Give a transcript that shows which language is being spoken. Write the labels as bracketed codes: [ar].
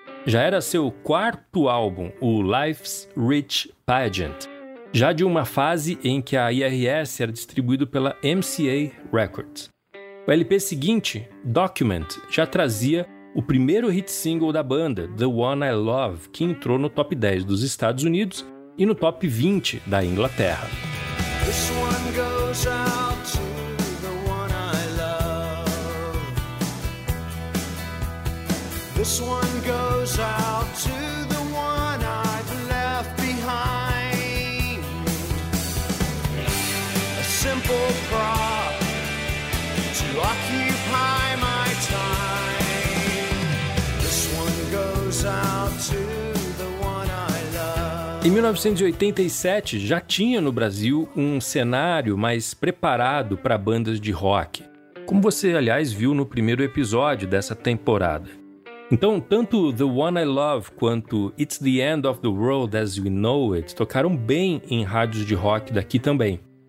[pt] Já era seu quarto álbum, o Life's Rich Pageant, já de uma fase em que a IRS era distribuído pela MCA Records. O LP seguinte, Document, já trazia o primeiro hit single da banda, The One I Love, que entrou no top 10 dos Estados Unidos e no top 20 da Inglaterra. [en] This one goes out to the one I love. This one goes out to the one I've left behind. A simple prop to occupy my time. This one goes out to the one I love. [pt] Em 1987, já tinha no Brasil um cenário mais preparado para bandas de rock. Como você, aliás, viu no primeiro episódio dessa temporada. Então, tanto The One I Love quanto It's the End of the World as We Know It tocaram bem em rádios de rock daqui também.